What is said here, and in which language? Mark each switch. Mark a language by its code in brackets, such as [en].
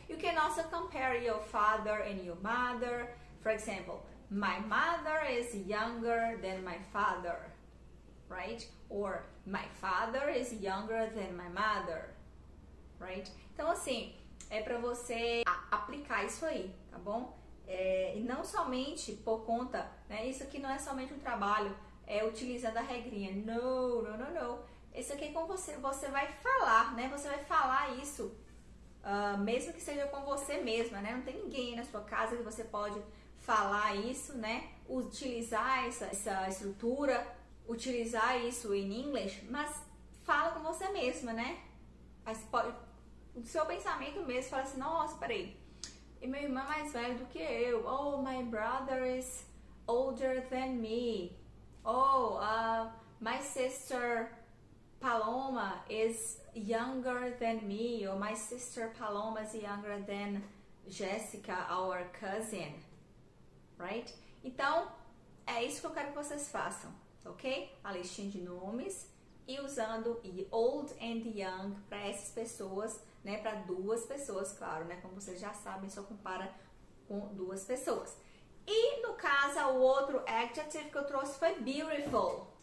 [en] You can also compare your father and your mother. For example, my mother is younger than my father. Right? Or my father is younger than my mother. Right? [pt] Então, assim, é para você aplicar isso aí, tá bom? E não somente por conta, né? Isso aqui não é somente um trabalho, é utilizando a regrinha. No. Isso aqui é com você, você vai falar, né? Você vai falar isso, mesmo que seja com você mesma, né? Não tem ninguém na sua casa que você pode falar isso, né? Utilizar essa estrutura, utilizar isso em inglês, mas fala com você mesma, né? Mas pode, o seu pensamento mesmo, fala assim, nossa, peraí. E meu irmão é mais velho do que eu. [en] Oh, my brother is older than me. Oh, my sister Paloma is younger than me. Or my sister Paloma is younger than Jessica, our cousin. Right? [pt] Então, é isso que eu quero que vocês façam. Ok? A listinha de nomes. E usando [en] old and young [pt] para essas pessoas. Né, para duas pessoas, claro, né? Como vocês já sabem, só compara com duas pessoas. E no caso, o outro adjective que eu trouxe foi beautiful.